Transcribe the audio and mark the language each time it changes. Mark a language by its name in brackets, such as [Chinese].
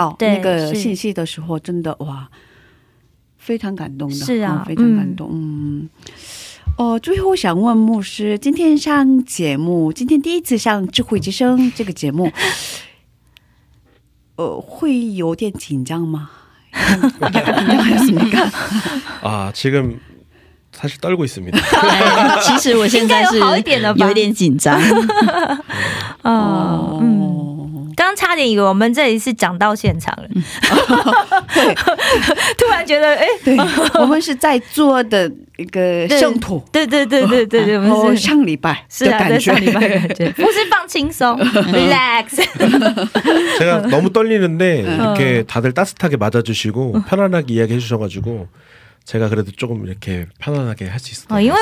[Chinese] 哇，真的好感动的故事，真的哦。牧师有非常多这些实际的，在实际的宣教现场所发生的故事。对对对对，嗯，特别感动。刚才牧师分享换泄露女人的那个讲道那个信息的时候，真的哇。非常感动的，是啊，非常感动。哦，最后想问牧师，今天上节目，今天第一次上智慧之声这个节目，会有点紧张吗？啊， [Korean] 지금 사실 떨고 있습니다. [Chinese] 其实我现在是有点紧张。啊，嗯。刚差点以为我们这里是讲到现场了，突然觉得哎，我们是在座的一个圣徒，对对对对对，我们上礼拜是啊，上礼拜感觉不是放轻松 ，relax。 [Korean] 제가 너무 떨리는데 이렇게 다들 따뜻하게 맞아주시고 편안하게 이야기해주셔가지고 제가 그래도 조금 이렇게 편안하게 할 수 있어요.